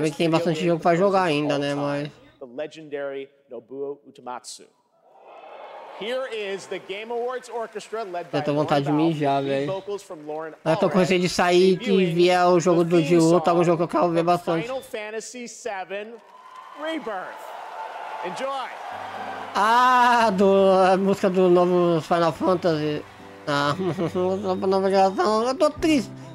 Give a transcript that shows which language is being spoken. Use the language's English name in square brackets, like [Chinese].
[Portuguese] bem que tem bastante jogo pra jogar ainda, né, mas... [English] The legendary Nobuo Uematsu. Here is the Game Awards Orchestra led by. [Portuguese] Eu tô vontade de mijar, velho. Eu tô com receio de sair e vier o jogo do Dio, tá um jogo que eu quero ver bastante. [English] Final Fantasy VII Rebirth. Enjoy! [Portuguese] Ah, a música do novo Final Fantasy. Ah, a nova geração, eu tô triste.